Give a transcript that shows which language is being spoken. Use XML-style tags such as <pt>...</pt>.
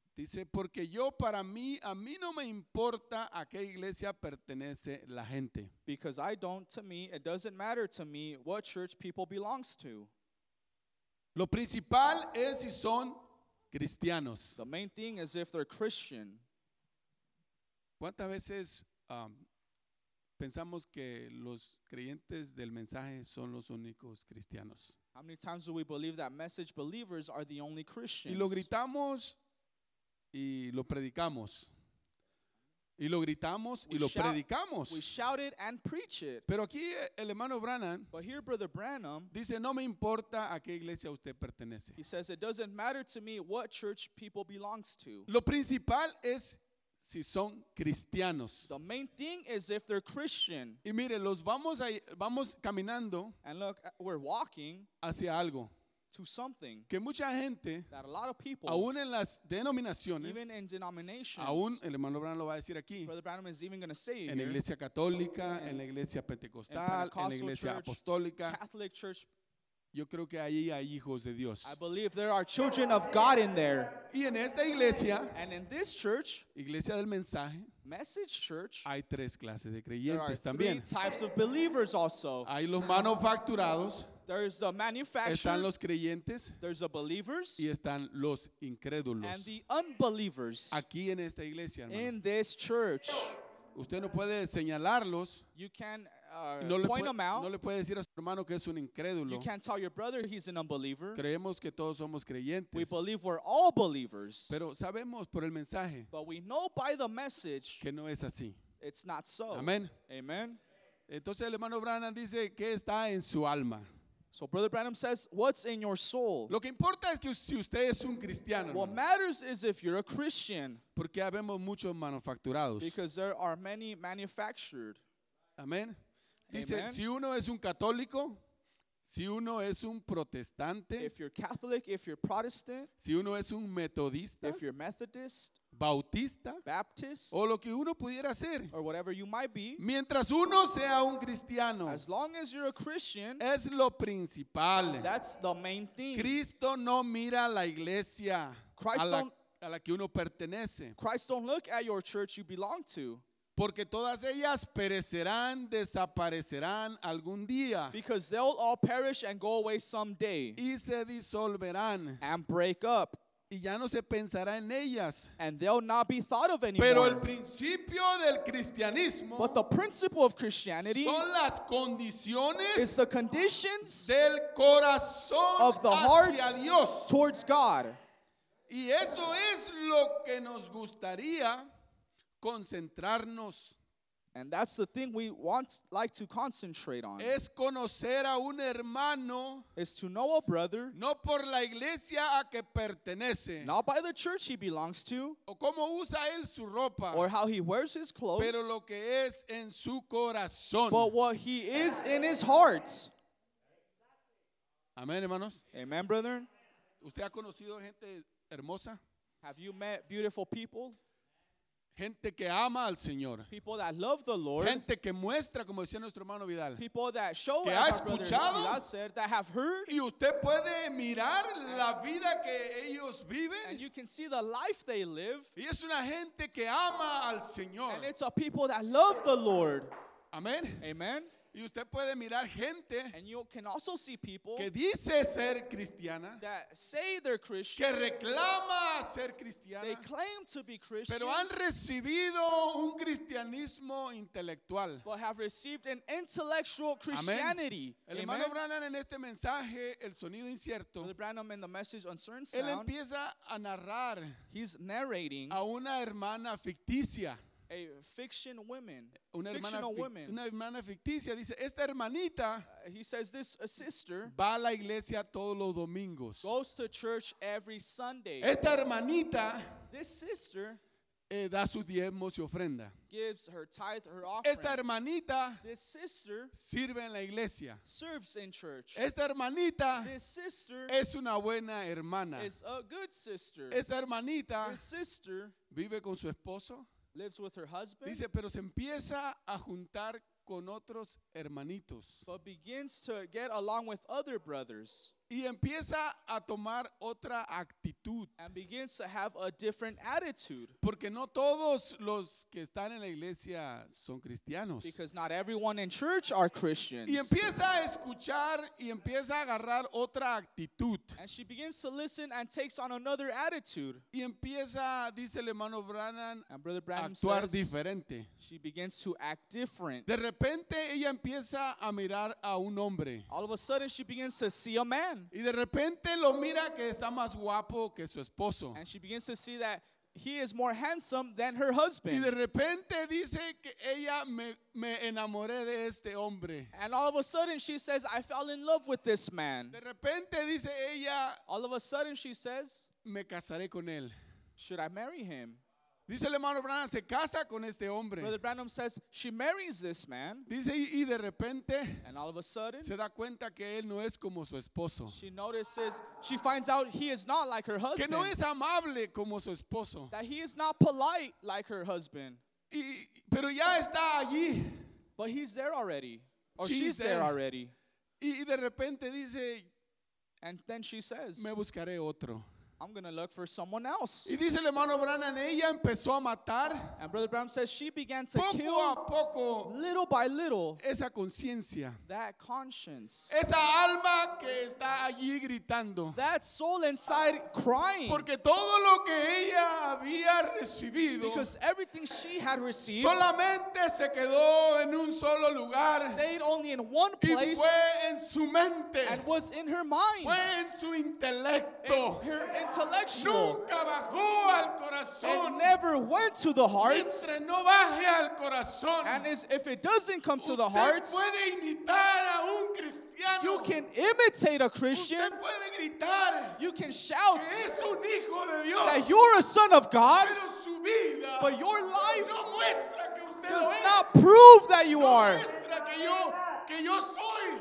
<es>Dice, porque yo para mí, a mí no me importa a qué iglesia pertenece la gente.</es> <en>Because I don't, to me, it doesn't matter to me what church people belongs to.</en> <es>Lo principal es si son cristianos.</es> <en>The main thing is if they're Christian.</en> <es>¿Cuántas veces pensamos que los creyentes del mensaje son los únicos cristianos?</es> <en>How many times do we believe that message believers are the only Christians?</en> <es>Y lo gritamos y lo predicamos. Y lo gritamos y lo predicamos.</es> <en>We shout it and preach it.</en> <es>Pero aquí el hermano Branham,</es> <en>but here Brother Branham,</en> <es>dice, no me importa a qué iglesia usted pertenece.</es> <en>He says, it doesn't matter to me what church people belongs to.</en> <es>Lo principal es si son cristianos.</es> <en>The main thing is if they're Christian.</en> <es>Y mire, los vamos ahí, vamos caminando,</es> <en>and look, we're walking</en> <es>hacia algo.</es> <en>To something</en> <es>que mucha gente,</es> <en>that a lot of people,</en> <es>aún en las denominaciones,</es> <en>even in denominations,</en> <es>aún, el hermano Branham lo va a decir aquí,</es> <en>Brother Branham is even going to say</en> <es>en la iglesia católica, en la iglesia pentecostal, en la iglesia</es> <en>church,</en> <es>apostólica,</es> <en>Catholic church,</en> <es>yo creo que ahí hay hijos de Dios.</es> <en>I believe there are children of God in there.</en> <es>Y en esta iglesia,</es> <en>and in this church,</en> <es>iglesia del mensaje,</es> <en>message church,</en> <es>hay tres clases de creyentes también.</es> <en>There are three types of believers also.</en> <es>Hay los manufacturados.</es> <en>There's the manufacturer.</en> <es>Están los creyentes.</es> <en>There's the believers.</en> <es>Y están los incrédulos.</es> <en>And the unbelievers.</en> <es>Aquí en esta iglesia, hermano.</es> <en>In this church.</en> <es>Usted no puede señalarlos.</es> <en>You can no point</en> <es>puede,</es> <en>them out.</en> <es>No le puede decir a su hermano que es un incrédulo.</es> <en>You can't tell your brother he's an unbeliever.</en> <es>Creemos que todos somos creyentes.</es> <en>We believe we're all believers.</en> <es>Pero sabemos por el mensaje.</es> <en>But we know by the message.</en> <es>Que no es así.</es> <en>It's not so.</en> <es>Amén.</es> <en>Amen.</en> <es>Entonces el hermano Branham dice que está en su alma.</es> <en>So Brother Branham says, what's in your soul?</en> <es>Lo que importa es que si usted es un cristiano.</es> <en>What matters is if you're a Christian.</en> <es>Porque habemos muchos manufacturados.</es> <en>Because there are many manufactured.</en> <es>Amén. Dice, si uno es un católico, si uno es un protestante.</es> <en>If you're Catholic, if you're Protestant.</en> <es>Si uno es un metodista.</es> <en>If you're Methodist.</en> <es>Bautista.</es> <en>Baptist.</en> <es>O lo que uno pudiera ser.</es> <en>Or whatever you might be.</en> <es>Mientras uno sea un cristiano.</es> <en>As long as you're a Christian.</en> <es>Es lo principal.</es> <en>That's the main thing.</en> <es>Cristo no mira a la iglesia.</es> <en>Christ</en> <es>a la que uno pertenece.</es> <en>Christ don't look at your church you belong to.</en> <es>Porque todas ellas perecerán, desaparecerán algún día.</es> <en>Because they'll all perish and go away someday.</en> <es>Y se disolverán.</es> <en>And break up.</en> <es>Y ya no se pensará en ellas.</es> <en>And they'll not be thought of anymore.</en> <es>Pero el principio del cristianismo.</es> <en>But the principle of Christianity.</en> <es>Son las condiciones.</es> <en>Is the conditions.</en> <es>Del corazón</es> <en>of the heart</en> <es>hacia Dios.</es> <en>Towards God.</en> <es>Y eso es lo que nos gustaría concentrarnos.</es> <en>And that's the thing we want, like to concentrate on.</en> <es>Es conocer a un hermano.</es> <en>Is to know a brother.</en> <es>No por la iglesia a que pertenece.</es> <en>Not by the church he belongs to.</en> <es>O cómo usa él su ropa.</es> <en>Or how he wears his clothes.</en> <es>Pero lo que es en su corazón.</es> <en>But what he is in his heart.</en> <es>Amén, hermanos.</es> <en>Amen, brother.</en> <es>¿Usted ha conocido gente hermosa?</es> <en>Have you met beautiful people?</en> <es>Gente que ama al Señor.</es> <en>People that love the Lord.</en> <es>Gente que muestra, como decía nuestro hermano Vidal.</es> <en>People that show,</en> <es>que ha escuchado,</es> <en>Vidal said, that have heard.</en> <es>Y usted puede mirar la vida que ellos viven.</es> <en>And you can see the life they live.</en> <es>Y es una gente que ama al Señor.</es> <en>And it's a people that love the Lord.</en> <es>Amén.</es> <en>Amen.</en> <es>Y usted puede mirar gente,</es> <en>and you can also see people</en> <es>que dice ser cristiana,</es> <en>that say they're Christian,</en> <es>que reclama ser cristiana,</es> <en>they claim to be Christian,</en> <es>pero han recibido un cristianismo intelectual,</es> <en>but have received an intellectual Christianity. Amen.</en> <es>El hermano Branham en este mensaje, el sonido incierto,</es> <en>Brother Branham in the message Uncertain Sound,</en> <es>él empieza a narrar,</es> <en>he's narrating</en> <es>a una hermana ficticia.</es> <en>A fiction woman,</en> <es>una</es> <en>fictional woman.</en> <es>Una hermana ficticia, dice, esta hermanita,</es> <en>he says this sister,</en> <es>va a la iglesia todos los domingos.</es> <en>Goes to church every Sunday.</en> <es>Esta hermanita,</es> <en>this sister,</en> <es>da sus diezmos y ofrenda.</es> <en>Gives her tithe, her offering.</en> <es>Esta hermanita,</es> <en>this sister,</en> <es>sirve en la iglesia.</es> <en>Serves in church.</en> <es>Esta hermanita,</es> <en>this sister,</en> <es>es una buena hermana.</es> <en>Is a good sister.</en> <es>Esta hermanita,</es> <en>this sister,</en> <es>vive con su esposo.</es> <en>Lives with her husband.</en> <es>Dice, pero se empieza a juntar con otros hermanitos.</es> <en>But begins to get along with other brothers.</en> <es>Y empieza a tomar otra actitud.</es> <en>And begins to have a different attitude.</en> <es>Porque no todos los que están en la iglesia son cristianos.</es> <en>Because not everyone in church are Christians.</en> <es>Y empieza a escuchar y empieza a agarrar otra actitud.</es> <en>And she begins to listen and takes on another attitude.</en> <es>Y empieza, dice el hermano Branham,</es> <en>and Brother Branham</en> <es>a actuar</es> <en>says,</en> <es>diferente.</es> <en>She begins to act different.</en> <es>De repente ella empieza a mirar a un hombre.</es> <en>All of a sudden she begins to see a man.</en> <es>Y de repente lo mira que está más guapo que su esposo.</es> <en>And she begins to see that he is more handsome than her husband.</en> <es>Y de repente dice que ella me enamoré de este hombre.</es> <en>And all of a sudden she says, I fell in love with this man.</en> <es>De repente dice ella,</es> <en>all of a sudden she says,</en> <es>me casaré con él.</es> <en>Should I marry him?</en> <es>Dice el hermano Branham, se casa con este hombre.</es> <en>Brother Branham says, she marries this man.</en> <es>Dice, y de repente,</es> <en>and all of a sudden,</en> <es>se da cuenta que él no es como su esposo.</es> <en>She notices, she finds out he is not like her husband.</en> <es>Que no es amable como su esposo.</es> <en>That he is not polite like her husband.</en> <es>Y, pero ya está allí.</es> <en>But he's there already. Or she's she's there already.</en> <es>Y de repente dice,</es> <en>and then she says,</en> <es>me buscaré otro.</es> <en>I'm going to look for someone else.</en> <es>Y dice el hermano Branham, ella empezó a matar.</es> <en>And Brother Branham says she began to</en> <es>poco</es> <en>kill</en> <es>a poco,</es> <en>little by little,</en> <es>esa conciencia,</es> <en>that conscience,</en> <es>esa alma que está allí gritando,</es> <en>that soul inside crying,</en> <es>porque todo lo que ella había recibido,</es> <en>because everything she had received,</en> <es>solamente se quedó en un solo lugar,</es> <en>stayed only in one place,</en> <es>y fue en su mente,</es> <en>and was in her mind,</en> <es>fue en su intelecto,</es> <en>intellectual.</en> <es>Bajó al corazón.</es> <en>It never went to the heart.</en> <es>No baje al corazón,</es> <en>and if it doesn't come to the heart,</en> <es>puede imitar a un cristiano.</es> <en>You can imitate a Christian.</en> <es>Usted puede gritar,</es> <en>you can shout</en> <es>que es un hijo de Dios,</es> <en>that you're a son of God,</en> <es>pero su vida,</es> <en>but your life</en> <es>no muestra que usted</es> <en>does</en> <es>lo</es> <en>not</en> <es>es.</es> <en>Prove that you</en> <es>no</es> <en>are.</en> <es>Muestra que yo soy.</es>